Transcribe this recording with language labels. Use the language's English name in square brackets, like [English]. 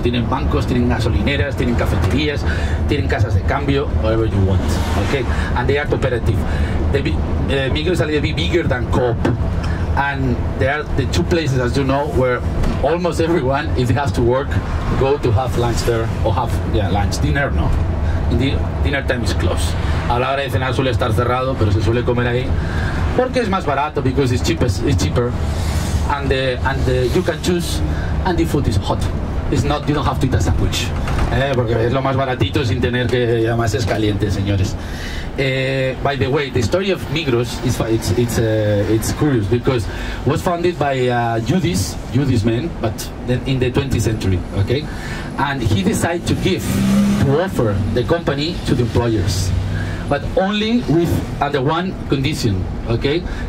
[Spanish] Tienen bancos, tienen gasolineras, tienen cafeterías, tienen casas de cambio, [English] whatever you want, okay? And they are cooperative. Migros are a little bit bigger than Coop. And there are the two places, as you know, where almost everyone, if they have to work, go to have lunch there, or have, yeah, lunch, dinner, no. Dinner time is closed. [Spanish] A la hora de cenar suele estar cerrado, pero se suele comer ahí. Porque es más barato, [English] because it's cheaper. And you can choose, and the food is hot. It's not, you don't have to eat a sandwich. [Spanish] Porque es lo más baratito sin tener que, además es caliente, señores. [English] By the way, the story of Migros is it's curious because it was founded by Judas man, but in the 20th century, okay? And he decided to offer the company to the employers, but only with under one condition, okay?